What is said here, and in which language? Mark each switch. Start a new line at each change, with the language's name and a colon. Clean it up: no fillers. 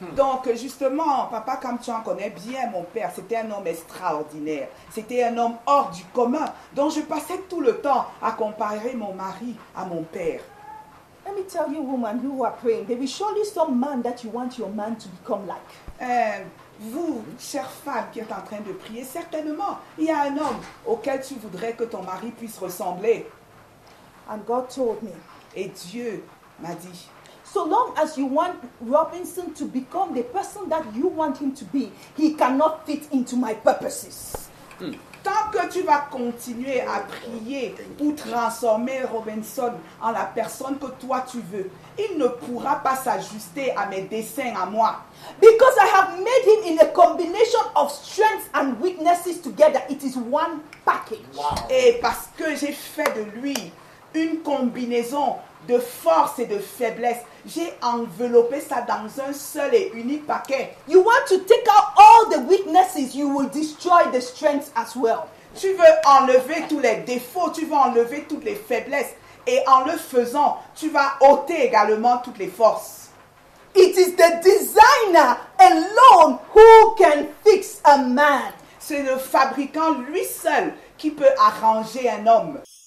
French: Donc justement, Papa Kamchuan connaît bien mon père. C'était un homme extraordinaire. C'était un homme hors du commun. Donc je passais tout le temps à comparer mon mari à mon père.
English: Let me tell you, woman, you who are praying, there is surely some man that you want your man to become like.
French: Vous, chère femme qui êtes en train de prier, certainement, il y a un homme auquel tu voudrais que ton mari puisse ressembler.
English: And God told me.
French: Et Dieu m'a dit.
English: So long as you want Robinson to become the person that you want him to be, he cannot fit into my purposes.
French: Tant que tu vas continuer à prier pour transformer Robinson en la personne que toi tu veux, il ne pourra pas s'ajuster à mes desseins à moi.
English: Because I have made him in a combination of strengths and weaknesses together. It is one package. Wow.
French: Et parce que j'ai fait de lui une combinaison de force et de faiblesse. J'ai enveloppé ça dans un seul et unique paquet.
English: You want to take out all the weaknesses, you will destroy the strengths as well.
French: Tu veux enlever tous les défauts, tu veux enlever toutes les faiblesses. Et en le faisant, tu vas ôter également toutes les forces.
English: It is the designer alone who can fix a man.
French: C'est le fabricant lui seul qui peut arranger un homme.